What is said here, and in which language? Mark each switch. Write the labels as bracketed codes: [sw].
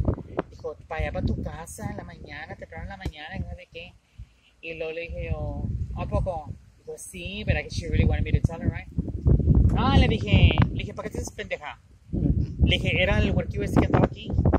[es] Dijo, para allá para tu casa en la mañana, te traen en la mañana, ¿no sé qué? Y luego le dije, ¿a poco? Dijo, sí, [en] but I guess she really wanted me to tell her, right? [es] Ah, le dije, ¿para qué te haces pendeja? Le dije, ¿era el huerquillo ese que estaba aquí?